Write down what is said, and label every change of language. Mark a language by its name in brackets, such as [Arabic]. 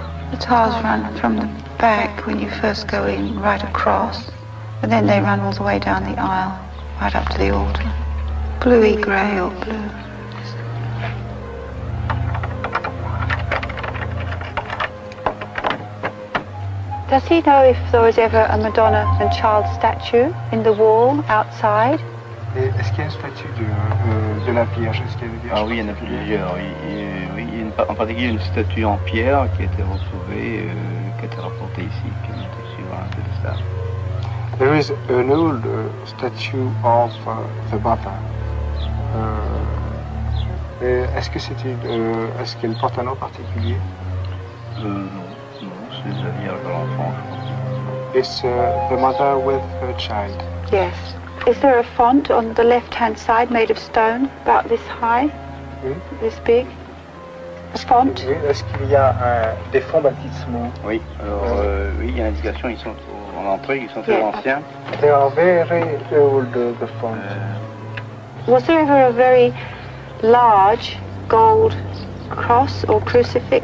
[English] The tiles run from the back when you first go in, right across, and then they run all the way down the aisle, right up to the altar. Bluey grey or blue. Does he know if there was ever a Madonna and Child statue in the wall outside? [French] Est-ce qu'il y a une statue de la Vierge? Ah oui, il y en a plusieurs. Oui, en particulier une statue en pierre qui a été retrouvée, qui a été rapportée ici, qui a été suivante de ça. [English] There is an old statue of the Baptist. [French] Est-ce que c'était, est-ce qu'elle porte un nom particulier? Non. [English] It's the mother with her child. Yes. Is there a font on the left-hand side made of stone, about this high, this big? A font? [French] Oui, est-ce qu'il y a des fonts baptismaux? Oui. Alors, oui, il y a une indication, ils sont en entrée, ils sont très anciens. [English] They are very old, the font. Was there ever a very large gold cross or crucifix?